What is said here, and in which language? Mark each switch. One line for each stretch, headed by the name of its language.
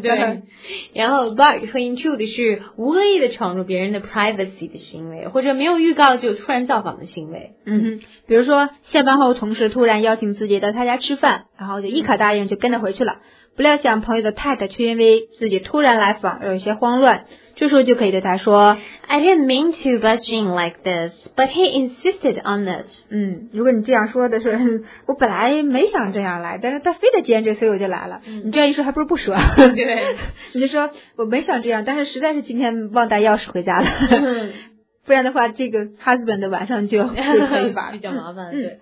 Chinese: 对。然后 bug 和 intrude 是无恶意的闯入别人的 privacy 的行为，或者没有预告就突然造访的行为。比如说下班后同事突然邀请自己到他家吃饭，然后就一口答应就跟着回去了。不料想朋友的太太却因为自己突然来访有一些慌乱，这时候就可以对他说
English: I didn't mean to budge in like this, but he insisted on it.
Chinese: 如果你这样说的是我本来没想这样来，但是他非得坚持所以我就来了。你这样一说还不如不说。对。你就说我没想这样，但是实在是今天忘带钥匙回家了。不然的话这个 husband 的晚上就可以玩。比较麻烦。